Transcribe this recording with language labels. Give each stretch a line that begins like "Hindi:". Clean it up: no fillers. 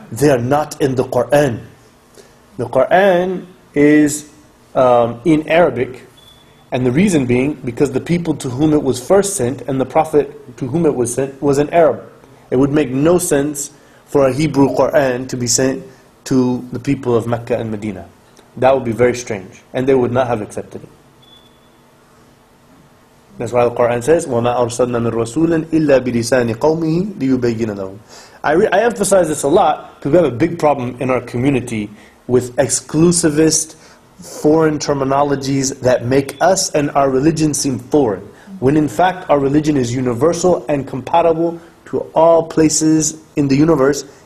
English: They are not in the Quran. The Quran is in Arabic, and the reason being, because the people to whom it was first sent and the prophet to whom it was sent was an Arab. It would make no sense for a Hebrew Quran to be sent to the people of Mecca and Medina. That would be very strange, and they would not have accepted it. That's why the Quran says,
Arabic: وَمَا أَرْسَلْنَا مِنْ رَسُولٍ إِلَّا بِلِسَانِ قَوْمِهِ لِيُبَيِّنَ لَهُمْ.
English: I emphasize this a lot because we have a big problem in our community with exclusivist foreign terminologies that make us and our religion seem foreign, when in fact our religion is universal and compatible to all places in the universe.